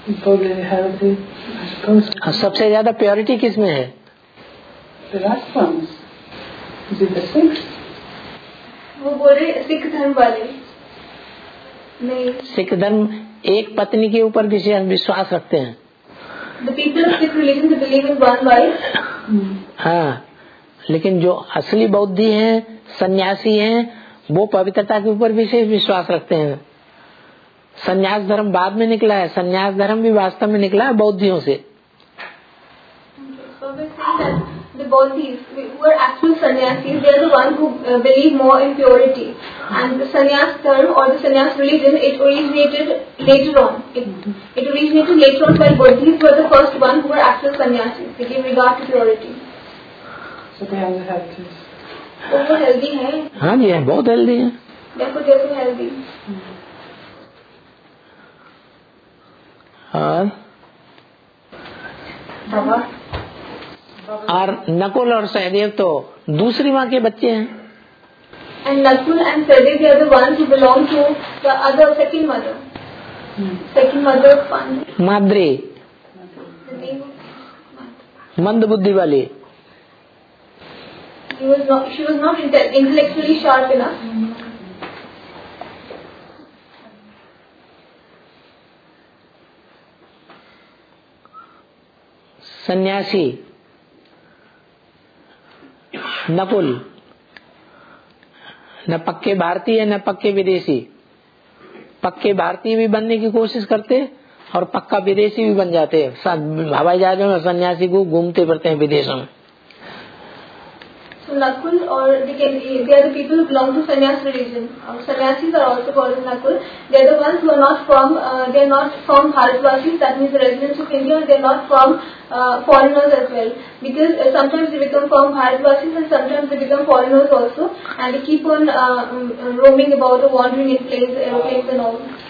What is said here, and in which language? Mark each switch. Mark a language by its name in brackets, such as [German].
[English] Body, healthy. [Hindi] सबसे ज्यादा purity किस में है? [English] The last ones. [Hindi] वो बोल रहे सिख धर्म वाले नहीं. सिख धर्म एक पत्नी के ऊपर विश्वास रखते हैं. [English] The people of Sikh religion they believe in one wife. [Hindi] हाँ, लेकिन जो असली बौद्धि हैं, सन्यासी हैं, वो पवित्रता के ऊपर विशेष विश्वास रखते हैं. सन्यास धर्म बाद में निकला है, सन्यास धर्म भी वास्तव में निकला है बौद्धियों से. [English] The bodhis, who are actual sannyasis, they are the ones who believe more in purity. And the sannyas term or the sannyas religion, it originated later on by bodhis, who are the first ones who were actual sannyasis. They gave regard to purity. So they are the healthy. [Hindi] Haan ji, hai bahut healthy hai. [English] Therefore they are so healthy. [Hindi] Haan. Baba. और नकुल और सहदेव तो दूसरी माँ के बच्चे हैं. [English] And Nakul and Sahadev are the ones who belong to the other second mother. Second mother of Pandu. Madri. [Hindi] मंद बुद्धि वाली. [English] She was not intellectually sharp enough. [Hindi] सन्यासी. नकुल न पक्के भारतीय है न पक्के विदेशी. पक्के भारतीय भी बनने की कोशिश करते और पक्का विदेशी भी बन जाते हैं. हवाई जहाजों में सन्यासी को घूमते फिरते हैं विदेशों में. [English] So Nakul or they are the people who belong to sannyas religion. Sannyasis are also called Nakul. They are the ones who are not from they are not from Bharatvasis, that means the residents of India, and they are not from foreigners as well. Because sometimes they become from Bharatvasis and sometimes they become foreigners also, and they keep on roaming about the wandering in place, aeroplanes and all.